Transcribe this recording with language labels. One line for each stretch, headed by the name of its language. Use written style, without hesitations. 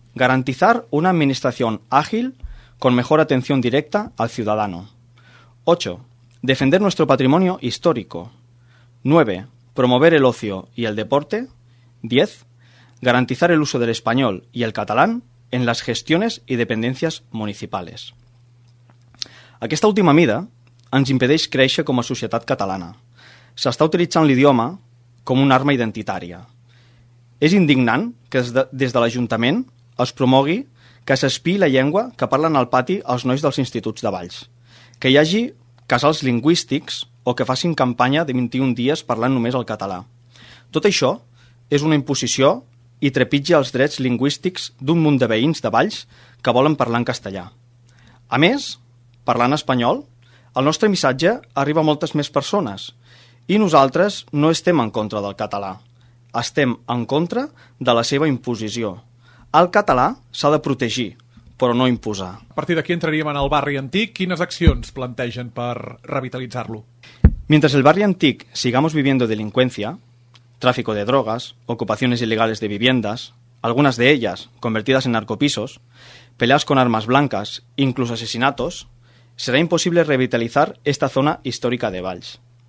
Spanish: Garantizar una administración ágil con mejor atención directa al ciudadano. 8. Defender nuestro patrimonio histórico. 9. Promover el ocio y el deporte. 10. Garantizar el uso del español y el catalán en las gestiones y dependencias municipales.
Catalan: Aquesta última mida ens impedeix créixer com a societat catalana. S'està utilitzant l'idioma com una arma identitària. És indignant que des de l'Ajuntament es promogui que s'espiï la llengua que parlen al pati els nois dels instituts de Valls, que hi hagi casals lingüístics o que facin campanya de 21 dies parlant només el català. Tot això és una imposició i trepitja els drets lingüístics d'un munt de veïns de Valls que volen parlar en castellà. A més, parlant espanyol, el nostre missatge arriba a moltes més persones i nosaltres no estem en contra del català, estem en contra de la seva imposició. El català s'ha de protegir, però no imposar. A partir d'aquí entraríem en el barri antic. Quines accions plantegen per revitalitzar-lo?
Spanish: Mientras el barri antic sigamos viviendo delincuencia, tráfico de drogas, ocupaciones ilegales de viviendas, algunas de ellas convertidas en narcopisos, peleas con armas blancas, incluso asesinatos, será imposible revitalizar esta zona histórica de Valls.